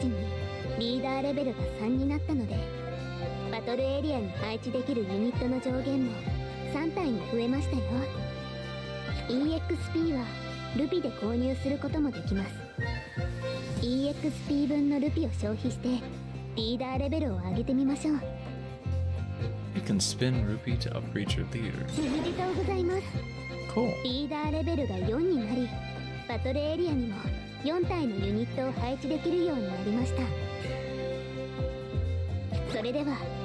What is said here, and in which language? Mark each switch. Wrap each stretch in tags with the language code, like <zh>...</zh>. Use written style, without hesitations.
<ja>ユニットの排出率はこちらで確認できます。リーダーレベルが高くなるほど、高レアリティのユニットの排出率もアップします。次のラウンドに、ショップ自動で更新されるので、星2の紡ぎ様を購入しておきましょう。どうもです。先ほどのラウンドの終了時にリーダーレベルが3になったので、 バトルエリアに配置できるユニットの上限も3体に増えましたよ。EXPはルピで購入することもできます。EXP分のルピを消費してリーダーレベルを上げてみましょう。</ja> <en>You can spin rupee to upgrade your leaders.</en> <ja>おめでとうございます。</ja> <en>Cool.</en> <ja>リーダーレベルが4になり、バトルエリアにも4体のユニットを配置できるようになりました。それでは、</ja>